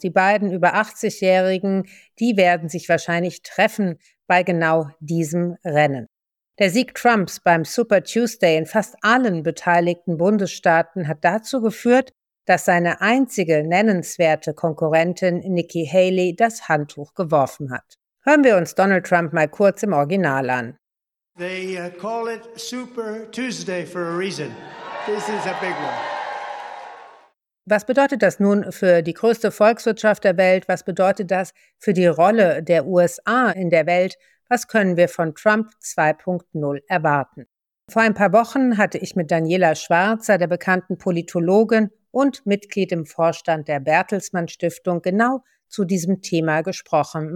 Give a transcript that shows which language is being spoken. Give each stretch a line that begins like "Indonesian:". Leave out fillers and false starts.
German: Die beiden über 80-Jährigen, die werden sich wahrscheinlich treffen bei genau diesem Rennen. Der Sieg Trumps beim Super Tuesday in fast allen beteiligten Bundesstaaten hat dazu geführt, dass seine einzige nennenswerte Konkurrentin Nikki Haley das Handtuch geworfen hat. Hören wir uns Donald Trump mal kurz im Original an.
English: They call it Super Tuesday for a reason. This is a big one.
German: Was bedeutet das nun für die größte Volkswirtschaft der Welt? Was bedeutet das für die Rolle der USA in der Welt? Was können wir von Trump 2.0 erwarten? Vor ein paar Wochen hatte ich mit Daniela Schwarzer, der bekannten Politologin und Mitglied im Vorstand der Bertelsmann Stiftung, genau zu diesem Thema gesprochen.